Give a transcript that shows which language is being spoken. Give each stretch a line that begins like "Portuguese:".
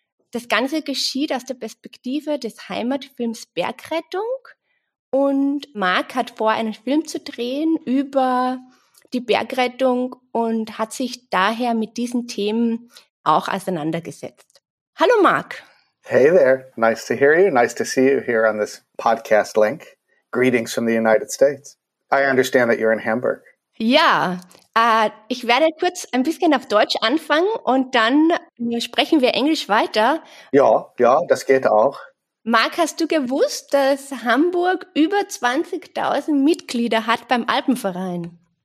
German: Das Ganze geschieht aus der Perspektive des Heimatfilms Bergrettung und Marc hat vor, einen Film zu drehen über die Bergrettung und hat sich daher mit diesen Themen auch auseinandergesetzt. Hallo, Marc.
English: Hey there. Nice to hear you. Nice to see you here on this podcast link. Greetings from the United States. I understand that you're in Hamburg.
German: Ja, ich werde kurz ein bisschen auf Deutsch anfangen und dann sprechen wir Englisch weiter. Ja, das geht auch. Marc, hast du gewusst, dass Hamburg über 20.000 Mitglieder hat beim Alpenverein?